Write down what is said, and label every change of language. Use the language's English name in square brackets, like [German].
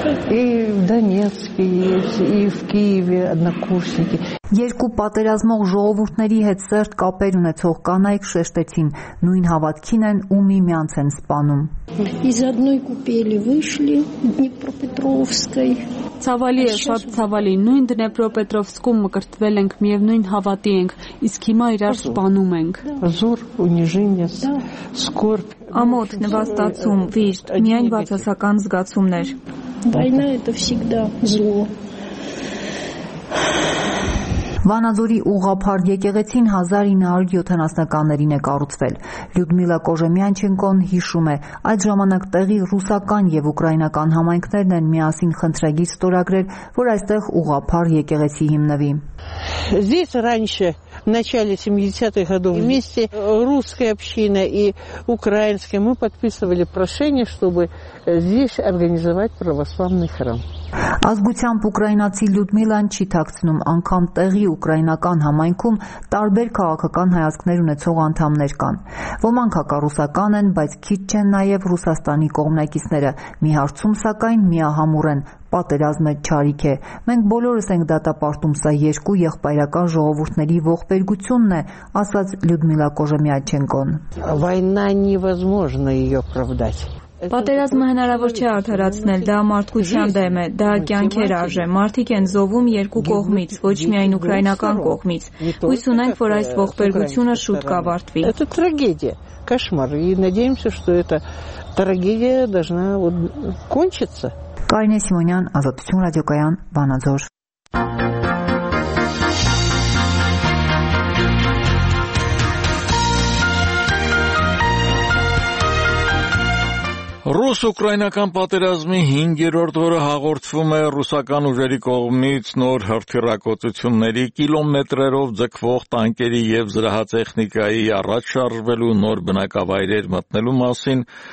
[Russian] И в Донецке есть, и в Киеве однокурсники. [Armenian] Երկու պատերազմող ժողովուրդների հետ սերտ կապեր ունեցող կանայք շեշտեցին, նույն հավատքին են ու միմյանց են սպանում։ [Russian] Из одной купели вышли Днепропетровской. [Armenian] Ցավալի է, շատ ցավալի, նույն Դնեպրոպետրովսկում մկրտվել ենք, միևնույն հավատի ենք, իսկ հիմա իրար սպանում ենք։ [Russian] Զուր, ունիժինը, սկորբ, [Armenian] ամոթ, նվաստացում, վիշտ, միայն բացասական զգացումներ։ [Russian] Война это всегда зло. [Armenian] Վանաձորի ուղափառ եկեղեցին 1970-ականներին է կառուցվել։ Լյուդմիլա Կոժեմյանչենկոն հիշում է, այդ ժամանակ տեղի ռուսական եւ ուկրաինական համայնքներն են միասին խնդրագիր ստորագրել, որ այստեղ ուղափառ եկեղեցի հիմնվի։ [Russian] Здесь раньше, в начале 70-х годов, вместе русская община и украинская, мы подписывали прошение, чтобы здесь организовать православный храм. [Armenian] Ազգությամբ ուկրաինացի Լյուդմիլան չի թաքցնում անգամ տեղի ուկրաինական համայնքում տարբեր քաղաքական հայացքներ ունեցող անդամներ կան։ Ոմանք հակառուսական են, բայց քիչ չեն նաև Ռուսաստանի կողմնակիցները։ Մի հարցում, սակայն, միահամուռ են. Պատերազմը չարիք է։ Մենք բոլորս ենք դատապարտում, սա երկու եղբայրական ժողովուրդների ողբերգությունն է, ասաց Լյուդմիլա Կոժեմյաչենկոն։ [Russian] Война невозможно её оправдать. [Armenian] Պատերազմը հնարավոր չէ արդարացնել, դա մարդկության դեմ է, դա կյանքեր արժե, մարդիկ են զովում երկու կողմից, ոչ միայն ուկրաինական կողմից։ Հույս ունենք, որ այս ողբերգությունը շուտ կավարտվի։ [Russian] Это трагедия, кошмар, и надеемся, что эта трагедия должна вот кончиться. [Armenian] Կարինե Սիմոնյան, Ազատություն ռադիոկայան, Վանաձոր։ Ռուս-ուկրաինական պատերազմի 5-րդ օրը հաղորդվում է ռուսական ուժերի կողմից նոր հրթիռակոծությունների կիլոմետրերով ձգվող տանկերի և զրահատեխնիկայի առաջ շարժվելու նոր բնակավայրեր մտնելու մասին։